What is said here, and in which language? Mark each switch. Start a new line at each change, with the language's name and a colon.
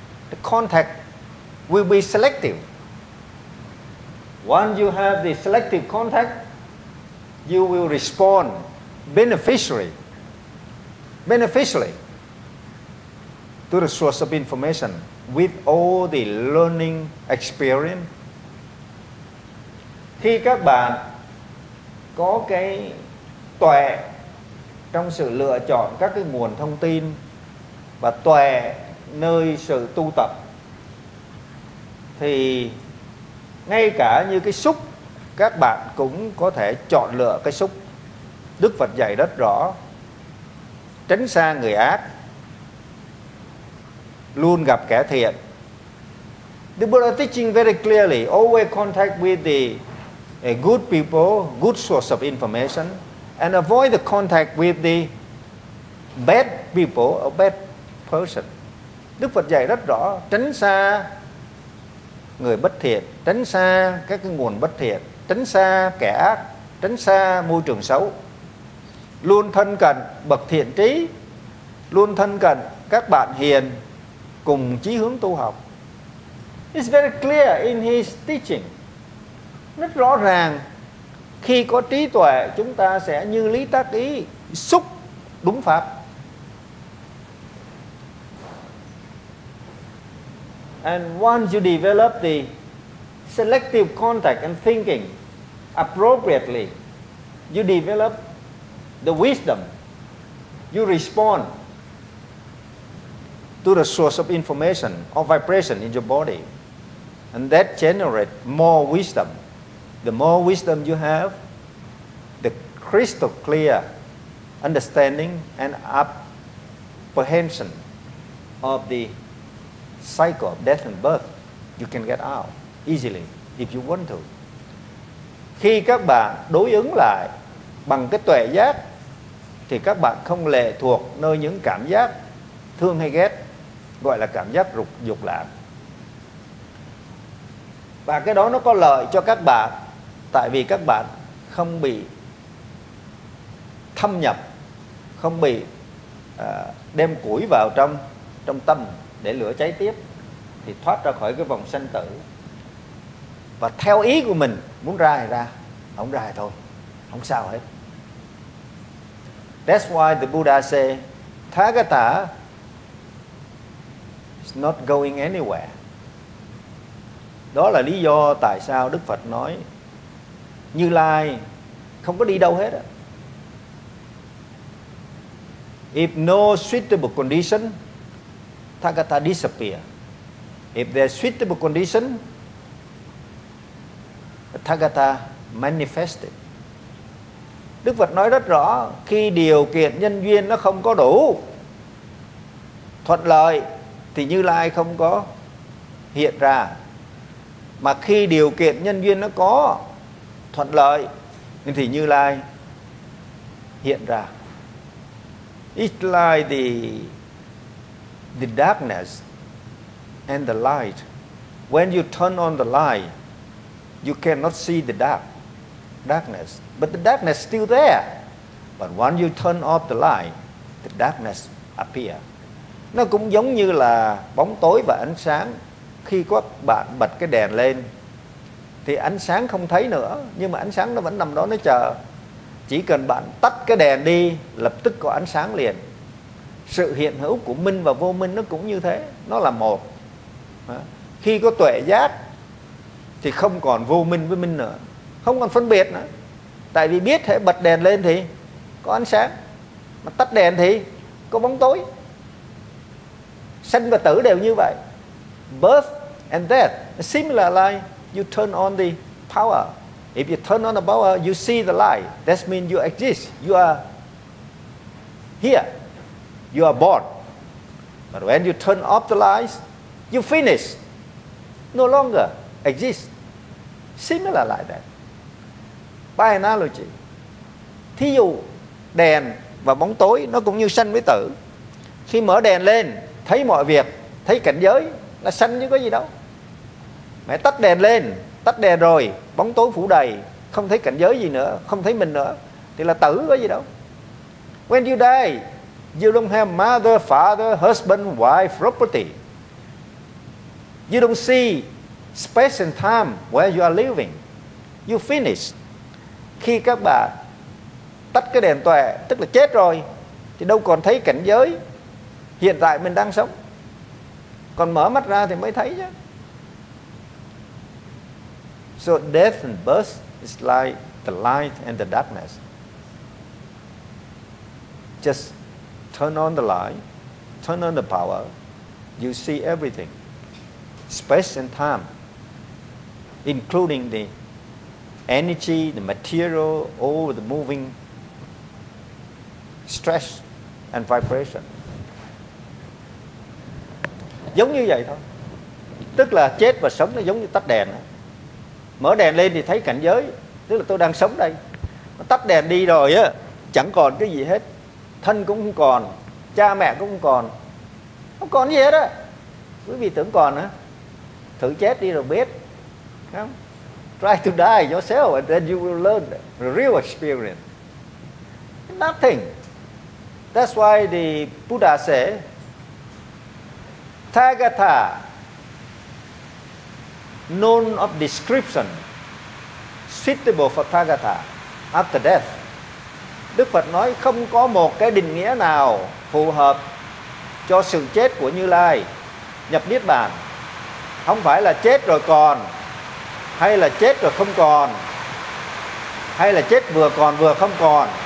English: The contact will be selective. Once you have the selective contact, you will respond beneficially to the source of information with all the learning experience.
Vietnamese: Khi các bạn có cái tuệ trong sự lựa chọn các cái nguồn thông tin và tuệ nơi sự tu tập, thì ngay cả như cái xúc, các bạn cũng có thể chọn lựa cái xúc. Đức Phật dạy rất rõ, tránh xa người ác, luôn gặp kẻ thiện.
English: The Buddha teaching very clearly, always contact with the good people, good source of information, and avoid the contact with the bad people, or bad person.
Vietnamese: Đức Phật dạy rất rõ, tránh xa người bất thiện, tránh xa các cái nguồn bất thiện, tránh xa kẻ ác, tránh xa môi trường xấu, luôn thân cận bậc thiện trí, luôn thân cận các bạn hiền cùng chí hướng tu học.
English: It's very clear in his teaching.
Vietnamese: Rất rõ ràng, khi có trí tuệ chúng ta sẽ như lý tác ý, xúc đúng pháp.
English: And once you develop the selective contact and thinking appropriately, you develop the wisdom, you respond to the source of information or vibration in your body. And that generates more wisdom. The more wisdom you have, the crystal clear understanding and apprehension of the cycle of death and birth, you can get out easily if you want to.
Vietnamese: Khi các bạn đối ứng lại bằng cái tuệ giác, thì các bạn không lệ thuộc nơi những cảm giác thương hay ghét, gọi là cảm giác dục lạc. Và cái đó nó có lợi cho các bạn, tại vì các bạn không bị thâm nhập, không bị đem củi vào trong tâm để lửa cháy tiếp, thì thoát ra khỏi cái vòng sanh tử. Và theo ý của mình, muốn ra thì ra, không ra thì thôi, không sao hết.
English: That's why the Buddha say, Thagata is not going anywhere.
Vietnamese: Đó là lý do tại sao Đức Phật nói Như Lai không có đi đâu hết.
English: If no suitable condition, Thagata disappear. If there's suitable condition, Thagata manifested.
Vietnamese: Đức Phật nói rất rõ, khi điều kiện nhân duyên nó không có đủ thuận lợi thì Như Lai không có hiện ra. Mà khi điều kiện nhân duyên nó có thuận lợi thì Như Lai hiện ra.
English: It's like the darkness and the light. When you turn on the light, you cannot see the darkness. But the darkness is still there. But when you turn off the light, the darkness appear.
Vietnamese: Nó cũng giống như là bóng tối và ánh sáng. Khi có bạn bật cái đèn lên thì ánh sáng không thấy nữa, nhưng mà ánh sáng nó vẫn nằm đó, nó chờ. Chỉ cần bạn tắt cái đèn đi, lập tức có ánh sáng liền. Sự hiện hữu của minh và vô minh nó cũng như thế, nó là một. Khi có tuệ giác thì không còn vô minh với minh nữa, không còn phân biệt nữa. Tại vì biết thể bật đèn lên thì có ánh sáng, mà tắt đèn thì có bóng tối. Sinh và tử đều như vậy.
English: Birth and death, similar like you turn on the power. If you turn on the power, you see the light. That means you exist. You are here. You are born. But when you turn off the light, you finish. No longer exist. Similar like that. By analogy,
Vietnamese: thí dụ đèn và bóng tối nó cũng như sanh với tử. Khi mở đèn lên, thấy mọi việc, thấy cảnh giới là sanh chứ có gì đâu. Mẹ tắt đèn lên, tắt đèn rồi, bóng tối phủ đầy, không thấy cảnh giới gì nữa, không thấy mình nữa, thì là tử có gì đâu.
English: When you die, you don't have mother, father, husband, wife, property. You don't see space and time where you are living. You finish.
Vietnamese: Khi các bạn tắt cái đèn tuệ, tức là chết rồi, thì đâu còn thấy cảnh giới hiện tại mình đang sống. Còn mở mắt ra thì mới thấy chứ.
English: So death and birth is like the light and the darkness. Just turn on the light, turn on the power, you see everything. Space and time, including the energy, the material, all the moving stress and vibration.
Vietnamese: Giống như vậy thôi. Tức là chết và sống nó giống như tắt đèn. Mở đèn lên thì thấy cảnh giới, tức là tôi đang sống đây. Mà tắt đèn đi rồi á, chẳng còn cái gì hết. Thân cũng không còn, cha mẹ cũng không còn, không còn gì hết á. Quý vị tưởng còn á, thử chết đi rồi biết.
English: Try to die yourself and then you will learn the real experience. Nothing. That's why the Buddha said, Thagata, known of description, suitable for Thagata after death.
Vietnamese: Đức Phật nói không có một cái định nghĩa nào phù hợp cho sự chết của Như Lai nhập Niết Bàn. Không phải là chết rồi còn, hay là chết rồi không còn, hay là chết vừa còn vừa không còn,